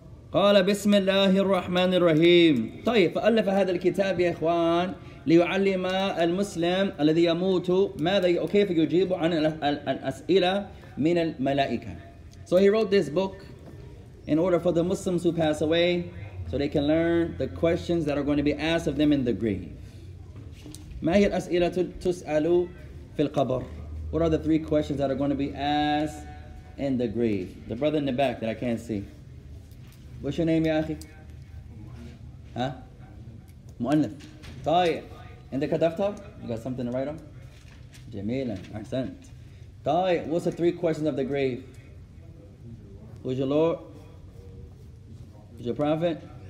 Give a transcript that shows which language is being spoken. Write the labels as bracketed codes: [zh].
[ar] قال بسم الله الرحمن الرحيم. طيب. فألف هذا الكتاب يا إخوان ليعلم المسلم الذي يموت ماذا وكيف يجيب عن الأسئلة من الملائكة. [en] So he wrote this book in order for the Muslims who pass away so they can learn the questions that are going to be asked of them in the grave. [ar] ما هي الأسئلة تسأل في القبر. [en] What are the three questions that are going to be asked in the grave? The brother in the back that I can't see. What's your name, Yaakhi? Huh? Mu'annif. Tayyip. In the kadaftar? You got something to write on? Jameelan. Ahsant. Tayyip. What's the three questions of the grave? Who's your Lord? Who's your Prophet?